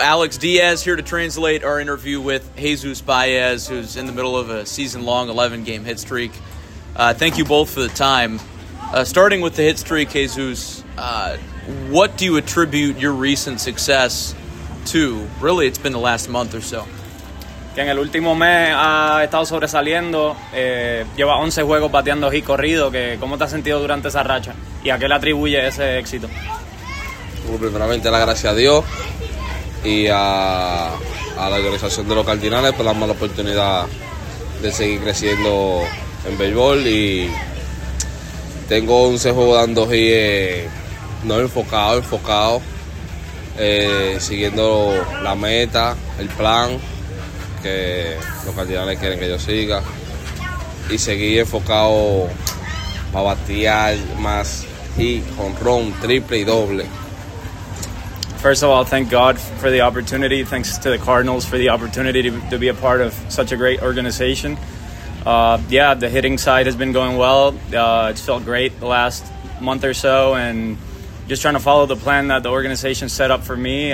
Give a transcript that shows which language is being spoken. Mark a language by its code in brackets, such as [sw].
[en] Alex Diaz here to translate our interview with Jesus Baez, who's in the middle of a season-long 11-game hit streak. Thank you both for the time. Starting with the hit streak, Jesus, what do you attribute your recent success to? Really, it's been the last month or so. [es] Que en el último mes ha estado sobresaliendo, lleva 11 juegos bateando hit corrido. Que, ¿cómo te has sentido durante esa racha? ¿Y a qué le atribuye ese éxito? Bueno, primeramente, la gracia a Dios y a la organización de los Cardinales por darme la oportunidad de seguir creciendo en béisbol. Y tengo 11 juegos dando hit, enfocado, siguiendo la meta, el plan que los Cardinales quieren que yo siga, y seguí enfocado para batear más y jonrón, triple y doble. [en] First of all, thank God for the opportunity. Thanks to the Cardinals for the opportunity to be a part of such a great organization. Yeah, the hitting side has been going well. It's felt great the last month or so, and just trying to follow the plan that the organization set up for me.